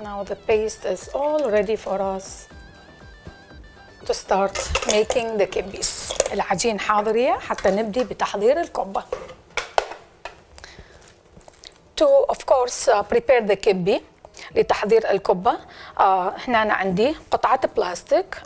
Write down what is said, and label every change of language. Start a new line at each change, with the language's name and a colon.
English: the paste is all ready for us to start making the kibbis.
Arabic: العجين حاضر يا حتى نبدي بتحضير الكبة.
English: To of course prepare the kibbi
Arabic: لتحضير الكبة. هنا أنا عندي قطعة بلاستيك.